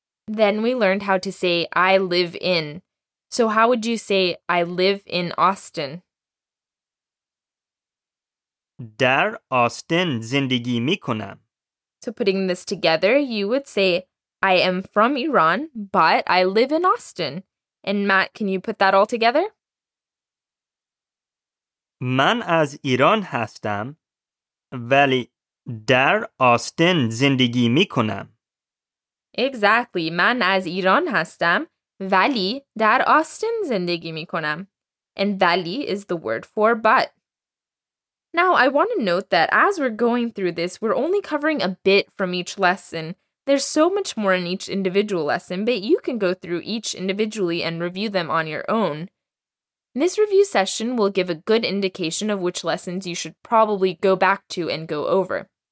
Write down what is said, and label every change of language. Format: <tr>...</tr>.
<en>Then we learned how to say I live in. So how would you say I live in Austin?</en> <fa>Dar Austin zindigi mikonam.</fa> <en>So putting this together, you would say, I am from Iran, but I live in Austin. And Matt, can you put that all together?</en> <fa>من از ایران هستم ولی در آستین زندگی میکنم.</fa> <en>Exactly.</en> <fa>من از ایران هستم ولی در آستین زندگی میکنم.</fa> <en>And ولی is the word for but. Now, I want to note that as we're going through this, we're only covering a bit from each lesson. There's so much more in each individual lesson, but you can go through each individually and review them on your own. This review session will give a good indication of which lessons you should probably go back to and go over.</en>